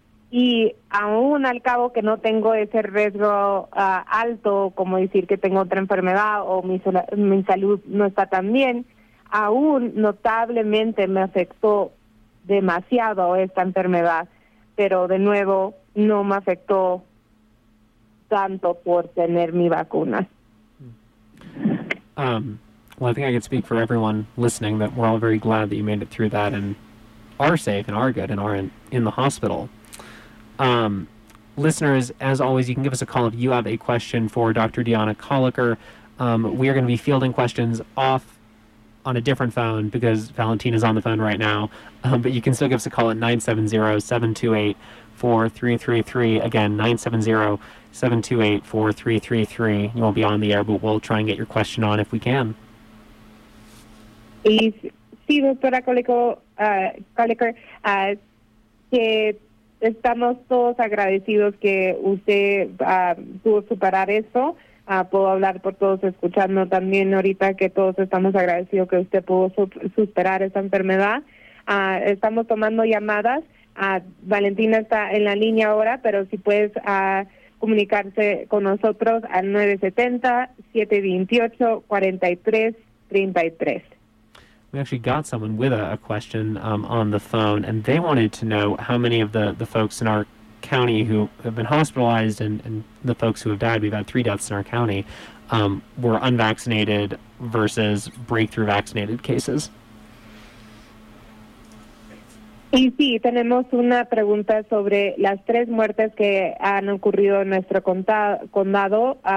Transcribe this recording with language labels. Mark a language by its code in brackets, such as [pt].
[es] Y aún al cabo que no tengo ese riesgo alto, como decir que tengo otra enfermedad o mi salud no está tan bien, aún notablemente me afectó demasiado esta enfermedad. Pero de nuevo, no me afectó tanto por tener mi vacuna. [en] Well, I think I can speak for everyone listening that we're all very glad that you made it through that and are safe and are good and aren't in the hospital. listeners, as always, you can give us a call if you have a question for Dr. Deanna Colliker. We are going to be fielding questions off on a different phone because Valentina is on the phone right now. But you can still give us a call at 970-728-4333. Again, 970-728-4333. You won't be on the air, but we'll try and get your question on if we can. [es] Sí, doctora Colliker, que estamos todos agradecidos que usted pudo superar eso. Puedo hablar por todos escuchando también ahorita que todos estamos agradecidos que usted pudo superar esa enfermedad. Estamos tomando llamadas. Valentina está en la línea ahora, pero si puedes comunicarse con nosotros al 970-728-4333. [en] We actually got someone with a question on the phone, and they wanted to know how many of the folks in our county who have been hospitalized and the folks who have died, we've had three deaths in our county, were unvaccinated versus breakthrough vaccinated cases. [es] Y sí, tenemos una pregunta sobre las tres muertes que han ocurrido en nuestro condado.